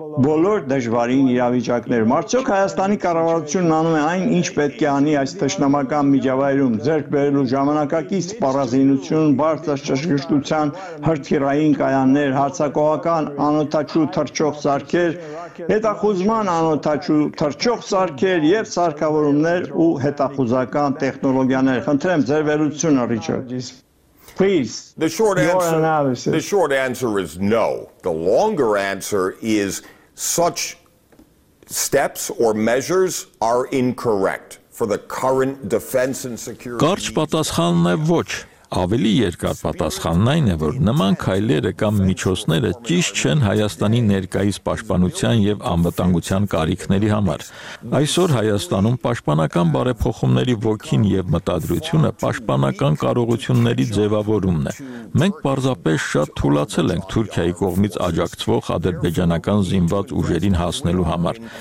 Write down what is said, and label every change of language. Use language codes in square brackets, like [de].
[hy] բոլոր դժվարին իրավիճակներում։ Արդյոք Հայաստանի կառավարությունն անում է այն, ինչ պետք է անի այս թշնամական միջավայրում՝ ձեռք բերելու ժամանակակից սպառազինություն, բարձր ճշգրտության հրթիռային կայաններ, հարձակողական անօթաչու թռչող սարքեր, հետախուզման անօթաչու թռչող սարքեր և սարքավորումներ ու հետախուզական տեխնոլոգիաներ։ Խնդրեմ ձեր վերլուծությունը, [en] Richard, please, your analysis. The short answer is no. The longer answer is such steps or measures are incorrect for the current defense and security. [hy] Կարճ պատասխանն է ոչ, ավելի երկար պատասխանն այն է, որ նման քայլերը կամ միջոցները ճիշտ չեն Հայաստանի ներկայիս պաշտպանության և անվտանգության կարիքների համար։ Այսօր Հայաստանում պաշտպանական բարեփոխումների ոգին և մտադրությունը պաշտպանական կարողությունների ձևավորումն է։ Մենք պարզապես շատ թուլացել ենք Թուրքիայի կողմից աջակցվող ադրբեջանական զինված ուժերին հասնելու համար։